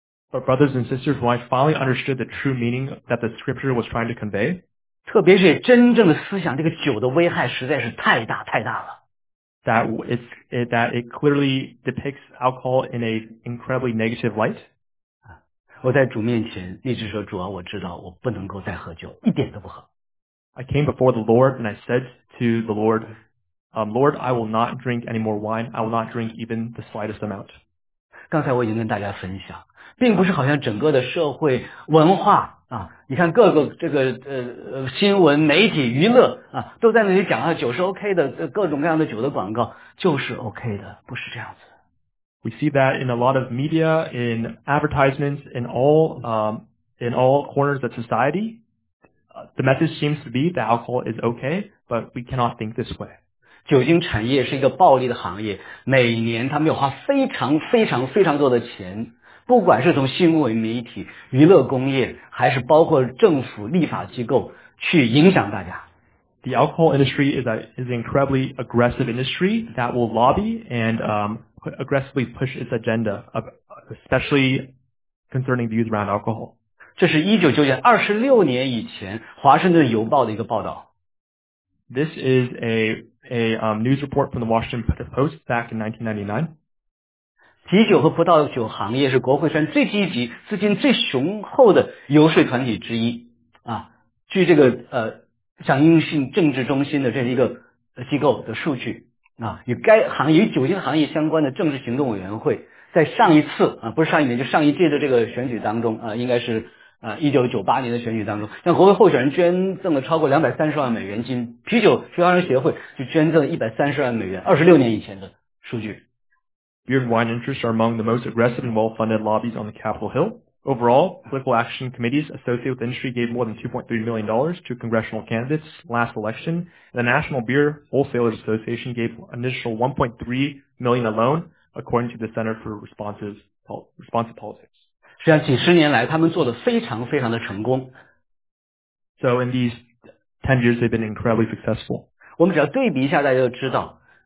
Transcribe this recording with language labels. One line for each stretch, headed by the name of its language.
English: But brothers and sisters, when I finally understood the true meaning that the scripture was trying to convey,
Chinese: 特别是真正的思想，这个酒的危害实在是太大太大了。
English: That it clearly depicts alcohol in an incredibly negative light.
Chinese: 我在主面前立志说，主啊，我知道我不能够再喝酒，一点都不喝。
English: I came before the Lord and I said to the Lord, Lord, I will not drink any more wine. I will not drink even the slightest amount.
Chinese: 刚才我已经跟大家分享，并不是好像整个的社会文化啊，你看各个这个新闻媒体娱乐啊，都在那里讲啊，酒是 OK 的，各种各样的酒的广告就是 OK 的，不是这样子。
English: We see that in a lot of media, in advertisements, in all corners of society, the message seems to be that alcohol is OK, but we cannot think this way.
Chinese: 酒精产业是一个暴利的行业，每年他们要花非常非常非常多的钱。不管是从新闻媒体、娱乐工业，还是包括政府立法机构去影响大家。
English: The alcohol industry is an incredibly aggressive industry that will lobby and aggressively push its agenda, especially concerning views around alcohol.
Chinese: 这是1999年26年以前《华盛顿邮报》的一个报道。
English: This is a news report from the Washington Post back in 1999.
Chinese: 啤酒和葡萄酒行业是国会山最积极、资金最雄厚的游说团体之一啊。据这个响应性政治中心的这一个机构的数据啊，与该行业与酒精行业相关的政治行动委员会，在上一次啊，不是上一年，就上一届的这个选举当中啊，应该是1998年的选举当中，向国会候选人捐赠了超过230万美元金，啤酒经销商协会就捐赠130万美元，26年以前的数据。
English: Beer and wine interests are among the most aggressive and well-funded lobbies on the Capitol Hill. Overall, political action committees associated with industry gave more than $2.3 million to congressional candidates last election. The National Beer Wholesalers Association gave an initial $1.3 million alone, according to the Center for Responsive Politics.
Chinese: 实际上几十年来他们做得非常非常的成功。
English: So in these 10 years they've been incredibly successful.
Chinese: 我们只要对比一下大家就知道。